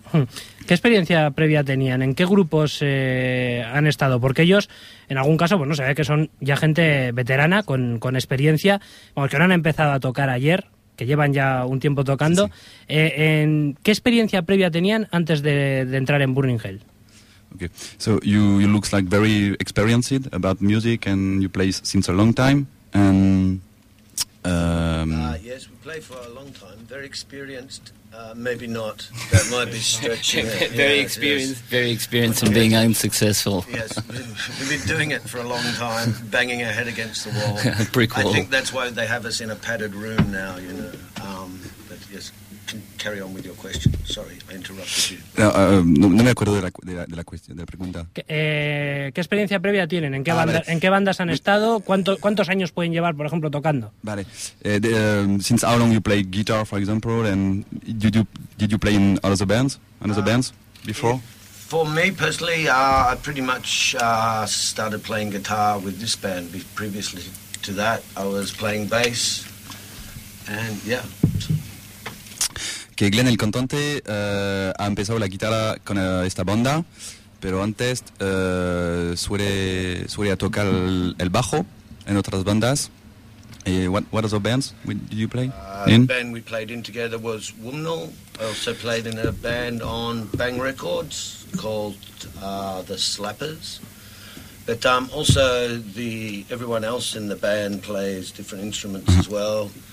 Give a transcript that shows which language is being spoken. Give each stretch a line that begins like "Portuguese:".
Spanish: ¿Qué experiencia previa tenían? ¿En qué grupos han estado? Porque ellos, en algún caso, pues no se ve que son ya gente veterana, con experiencia, bueno, que no han empezado a tocar ayer, que llevan ya un tiempo tocando. Sí, sí. ¿En qué experiencia previa tenían antes de entrar en Burning Hell?
English: Okay. So you look like very experienced about music, and you play since a long time. And Yes, we play for a long time. Very experienced. Maybe not. That might be stretching. very experienced in being unsuccessful. Yes, we've been doing it for a long time, banging our head against the wall. Brick wall. I think that's why they have us in a padded room now, you know. But yes, carry on with your question. Sorry, I interrupted you.
Spanish: No me acuerdo de la cuestión, de la pregunta. ¿Qué experiencia previa tienen? ¿En qué bandas han estado? ¿Cuántos años pueden llevar, por ejemplo, tocando? Vale.
English: Since how long you play guitar, for example, and did you play in other bands before? For me personally, I pretty much started playing guitar with this band. Previously to that, I was playing bass, and yeah.
Spanish: Que Glenn, el cantante, ha empezado la guitarra con esta banda, pero antes suele tocar el bajo en otras bandas.
English: What other bands did you play in? The band we played in together was Wumnal. I also played in a band on Bang Records called The Slappers. But also everyone else in the band plays different instruments as well.